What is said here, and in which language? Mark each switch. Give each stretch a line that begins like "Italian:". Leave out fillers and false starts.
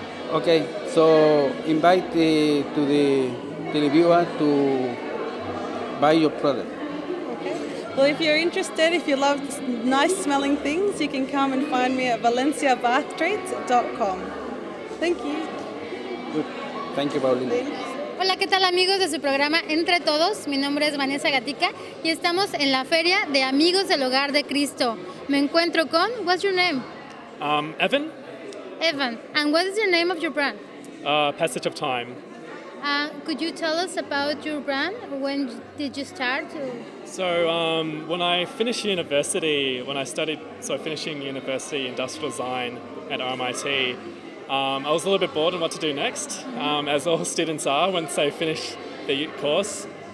English: Okay, so invite to the televiewer to buy your product. Okay, well, if you're interested, if you love nice smelling things, you can come and find me at valenciabathtreats.com. Thank you. Thank you, Paulina.
Spanish: Hola, ¿qué tal amigos de su programa Entre Todos? Mi nombre es Vanessa Gatica y estamos en la Feria de Amigos del Hogar de Cristo. Me encuentro con,
English: what's your name? Evan. Evan. And what is the name of your brand? Passage of Time. Could you tell us about your brand? When did you start? So when I finished university, finishing university industrial design at RMIT, I was a little bit bored on what to do next, as all students are once they finish the course.